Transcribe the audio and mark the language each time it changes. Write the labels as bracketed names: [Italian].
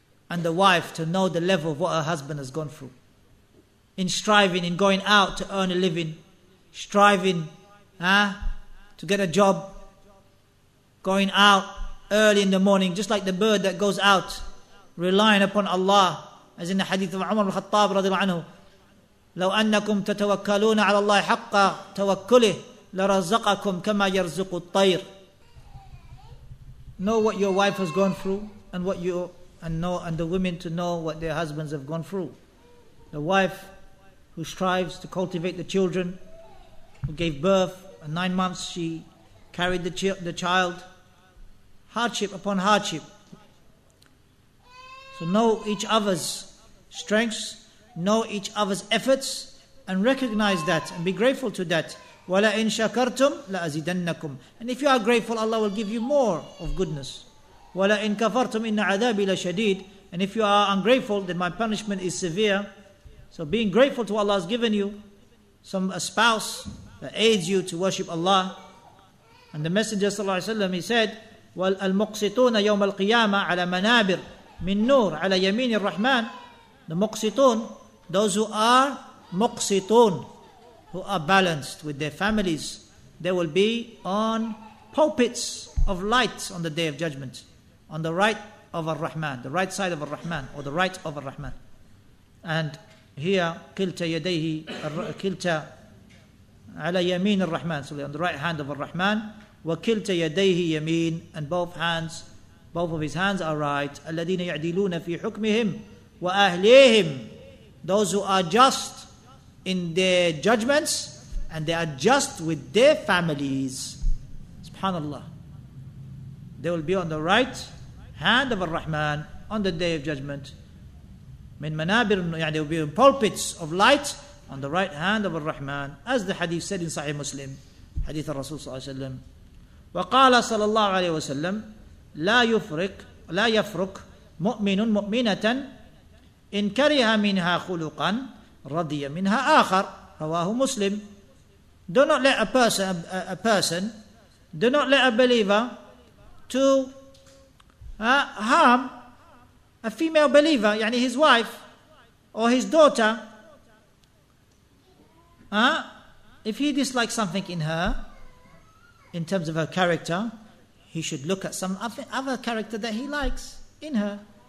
[English] And the wife to know the level of what her husband has gone through. In striving, in going out to earn a living, striving to get a job, going out early in the morning, just like the bird that goes out, relying upon Allah. As in the hadith of Umar al-Khattab radiallahu anhu, [Arabic] لو أنكم تتوكلون على الله حق توكله لرزقكم كما يرزق الطير. [English] Know what your wife has gone through, and what you and know, and the women to know what their husbands have gone through. The wife who strives to cultivate the children, who gave birth, and 9 months she carried the child, hardship upon hardship. So know each other's strengths, know each other's efforts, and recognize that, and be grateful to that. [Arabic] وَلَئِن شَكَرْتُمْ لَأَزِدَنَّكُمْ. [English] And if you are grateful, Allah will give you more of goodness. [Arabic] وَلَئِن كَفَرْتُمْ إِنَّ عَذَابِي لَشَدِيدٌ. [English] And if you are ungrateful, then my punishment is severe. So being grateful to what Allah has given you, a spouse that aids you to worship Allah. And the Messenger [Arabic] صلى الله عليه وسلم, [English] he said, [Arabic] وَالْمُقْسِطُونَ يَوْمَ الْقِيَامَةِ عَلَى مَنَابِرْ مِنْ نُورِ عَلَى يَمِينِ الرَّحْمَنِ. [English] The muqsitun, those who are muqsitun, who are balanced with their families, they will be on pulpits of light on the Day of Judgment, on the right of Ar-Rahman, the right side of Ar-Rahman, or the right of Ar-Rahman. And here, [Arabic] kilta yadayhi, kilta ala yameen Ar-Rahman, [English] so on the right hand of Ar-Rahman, [Arabic] wa kilta yadayhi yameen, [English] and both of his hands are right, [Arabic] alladhina ya'diluna fi hukmihim wa ahlihim, [English] those who are just in their judgments, and they are just with their families. Subhanallah. They will be on the right hand of Ar-Rahman on the Day of Judgment. Min manabir, they will be in pulpits of light on the right hand of Ar-Rahman, as the hadith said in Sahih Muslim, hadith of Rasul sallallahu alayhi wa sallam. [Arabic] وقال صلى الله عليه وسلم لا يفرق مؤمن مؤمنة إن كره منها خلقا رَضِيَ مِنْهَا آخر رواه مسلم. [English] Do not let a person, do not let a believer to harm a female believer, يعني his wife or his daughter. If he dislikes something in her, in terms of her character, he should look at some other character that he likes in her.